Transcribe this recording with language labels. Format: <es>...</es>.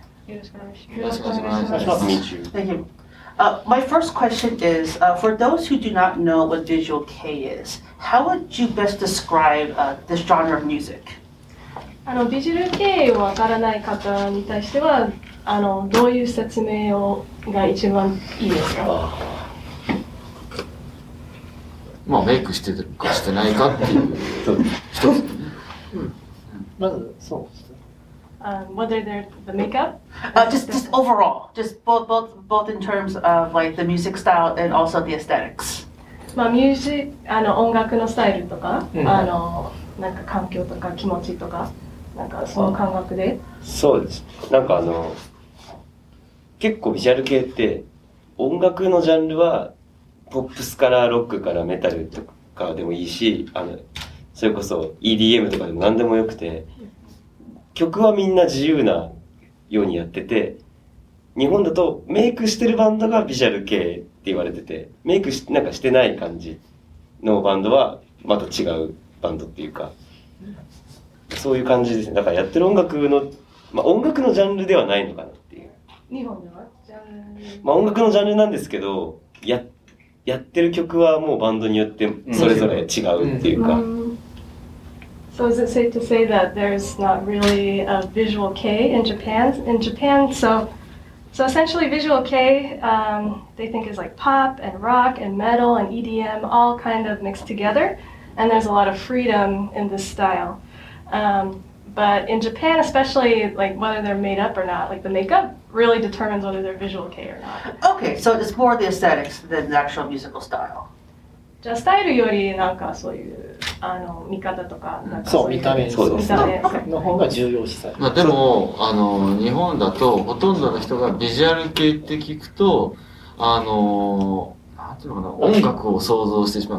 <ja>よろしくお願いします。</ja> <en>Thank you. My first question is, for those who do not know what Visual K is, how would you best describe this genre of music?</en> <ja>ビジュアル系をわからない方に対しては、どういう説明をが一番いいですか？まあ、メイクしてるかしてないかっていう人です、ね。まず、そう。</ja> <en>Whether they're the makeup? Just overall. Just both in terms of like the music style and also the aesthetics.</en> <ja>まあ、ミュージック、音楽のスタイルとか、なんか環境とか気持ちとか。なんかその感覚で、そうです。なんか結構ビジュアル系って音楽のジャンルはポップスからロックからメタルとかでもいいし、それこそ EDM とかでも何でもよくて、曲はみんな自由なようにやってて、日本だとメイクしてるバンドがビジュアル系って言われてて、メイクしなんかしてない感じのバンドはまた違うバンドっていうか。そういう感じですね。だからやってる音楽の、まあ、音楽のジャンルではないのかなっていう。日本ではジャンル、まあ、音楽のジャンルなんですけど、やってる曲はもうバンドによってそれぞれ違うっていうか。</ja> <en>So is it safe to say that there's not really a visual K in Japan? In Japan, so essentially visual K, they think is like pop and rock and metal and EDM all kind of mixed together, and there's a lot of freedom in this style. But in Japan, especially like whether they're made up or not, like the makeup really determines whether they're visual K or not. Okay, so it's more the aesthetics than the actual musical style.</en> <ja>じゃあスタイルよりなんかそういう見方とか、そう見た目、そうです。見た目の方が重要視される。まあでも日本だとほとんどの人がビジュアル系って聞くと音楽を想像してしまう。</ja>